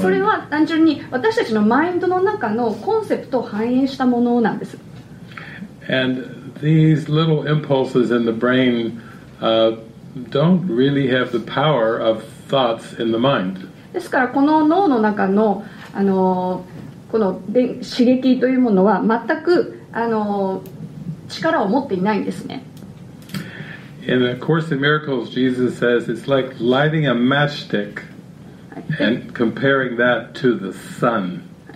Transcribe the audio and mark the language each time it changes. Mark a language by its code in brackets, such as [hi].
[ja] それは単純に私たちのマインドの中のコンセプトを反映したものなんです。 [en] And these little impulses in the brain don't really have the power of thoughts in the mind. [ja] ですからこの脳の中のこの刺激というものは全く力を持っていないんですね。 [en] In the Course in Miracles, Jesus says it's like lighting a matchstick and comparing that to the sun.